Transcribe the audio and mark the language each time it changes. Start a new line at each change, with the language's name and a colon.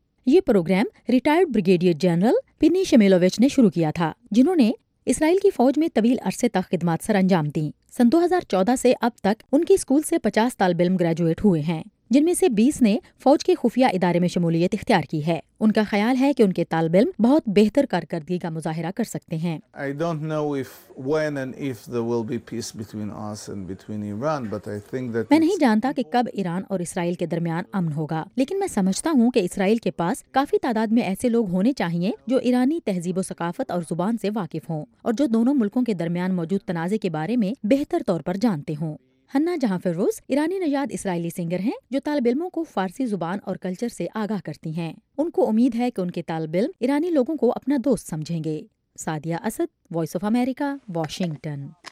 Urdu: یہ programme retired brigadier general پینی شمیلوویچ نے شروع کیا تھا، جنہوں نے اسرائیل کی فوج میں طویل عرصے تک خدمات سر انجام دیں۔ سن 2014 سے اب تک ان کے اسکول سے 50 طالب علم گریجویٹ ہوئے ہیں، جن میں سے 20 نے فوج کے خفیہ ادارے میں شمولیت اختیار کی ہے۔ ان کا خیال ہے کہ ان کے طالب علم بہت بہتر کارکردگی کا مظاہرہ کر سکتے ہیں۔
English: I don't know if when and if there will be peace between us and between Iran, but I think that
Urdu: میں نہیں جانتا کہ کب ایران اور اسرائیل کے درمیان امن ہوگا، لیکن میں سمجھتا ہوں کہ اسرائیل کے پاس کافی تعداد میں ایسے لوگ ہونے چاہیے جو ایرانی تہذیب و ثقافت اور زبان سے واقف ہوں، اور جو دونوں ملکوں کے درمیان موجود تنازع کے بارے میں بہتر طور پر جانتے ہوں۔ ہنہ جہاں فیروز ایرانی نژاد اسرائیلی سنگر ہیں، جو طالب علموں کو فارسی زبان اور کلچر سے آگاہ کرتی ہیں۔ ان کو امید ہے کہ ان کے طالب علم ایرانی لوگوں کو اپنا دوست سمجھیں گے۔ Sadia Asad, voice of America, Washington.